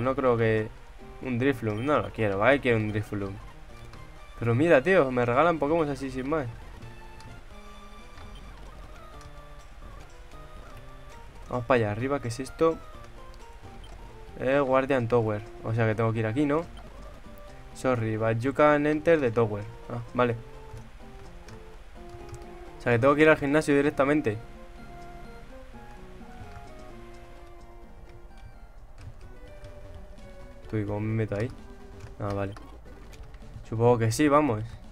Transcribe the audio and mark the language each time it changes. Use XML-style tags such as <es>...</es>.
<es>No creo que. Un Drifloom. No lo quiero, ¿vale? Quiero un Drifloom. Pero mira, tío. Me regalan Pokémon así sin más. Vamos para allá arriba. ¿Qué es esto? Guardian Tower. O sea que tengo que ir aquí, ¿no?</es> <en>Sorry, but you can enter the tower.</en> <es>Ah, vale. O sea que tengo que ir al gimnasio directamente. Uy, ¿cómo me meto ahí? Ah, vale. Supongo que sí, vamos.</es>